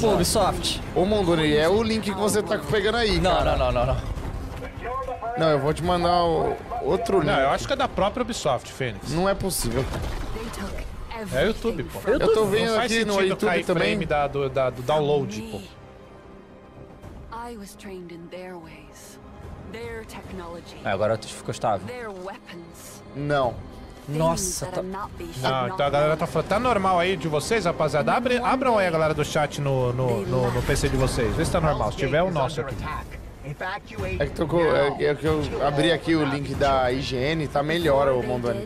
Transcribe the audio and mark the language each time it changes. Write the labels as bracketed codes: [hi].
[pt] Pô, Ubisoft. Ô, Mondoni, é o link que você tá pegando aí, não, cara. Não. Não, eu vou te mandar outro link. Não, eu acho que é da própria Ubisoft, Fênix. Não é possível. É o YouTube, pô. Eu tô vendo aqui no YouTube cair também. Frame do download, pô. [en] I was trained in their ways. Their technology. [pt] É, agora tu ficou estável. Não. Nossa, tá... Não, então a galera tá falando, tá normal aí de vocês, rapaziada? Abram aí a galera do chat no PC de vocês. Vê se tá normal, se tiver o nosso aqui. É que eu abri aqui o link da IGN, tá melhor, o Mondoni.